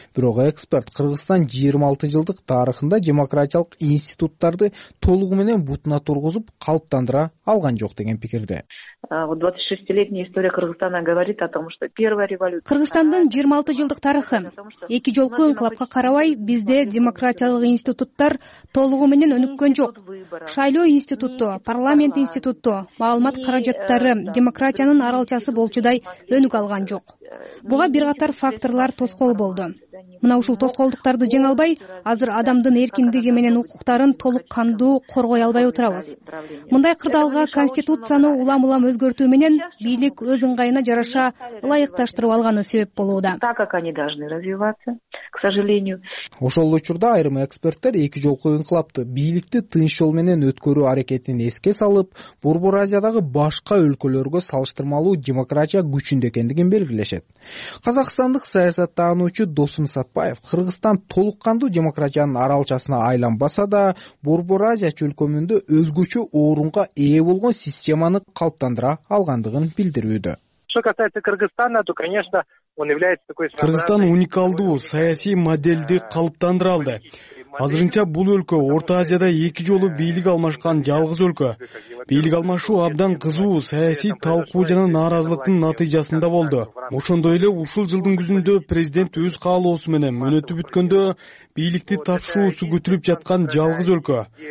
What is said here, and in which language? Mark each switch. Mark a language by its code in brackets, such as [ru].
[ky] Бирок эксперт Кыргызстан 26 жылдык тарыхында демократиялык институттарды толугу менен бутуна тургузуп калыптандыра алган жок деген пикирде. [ru] 26-летняя история Кыргызстана говорит о том, что первая революция. [ky] Кыргызстандын 26 жылдык тарыхы. Эки жолку инкылапка карабай бизде демократиялык институттар толугу менен өнүккөн жок. Шайлоо институту, парламент институту, маалымат каражаттары демократиянын аралчасы болчудай өнүк алган жок. Буга бир катар факторлор тоскоол болду. Мына ушул тоскоолдуктарды жеңе албай, азыр адамдын эркиндиги менен укуктарын толук кандуу коргой албай отурабыз. Мындай кырдаалга конституцияны улам-улам өзгөртүү менен бийлик өз ыңгайына жараша ылайыкташтырып алганы себеп болууда. [ru] Так как они должны развиваться, к сожалению. [ky] Ошол учурда айрым эксперттер эки жолку инкылапты бийликти тынч жол менен өткөрүү аракетин эске салып, Борбор Азиядагы башка өлкөлөргө салыштырмалуу демократия күчүндө экендигин белгилешет. Казакстандык саясаттануучу Досым Сатпаев Кыргызстан толук кандуу демократиянын аралчасына айланбаса да, Борбор Азия чөлкөмүндө өзгөчө орунга ээ болгон системаны калыптандыра алгандыгын билдирүүдө. [ru] Что касается Кыргызстана, то, конечно, он является такой страной. [ky] Кыргызстан уникалдуу саясий моделди калыптандыра алды. Азырынча бул өлкө Орто Азияда эки жолу бийлик алмашкан жалгыз өлкө. Бийлик алмашуу абдан кызуу саясий талкуу жана нааразылыктын натыйжасында болду. Ошондой эле ушул жылдын күзүндө президент өз каалоосу менен мөнөтү бүткөндө бийликти тапшыруусу көтөрүп жаткан жалгыз өлкө.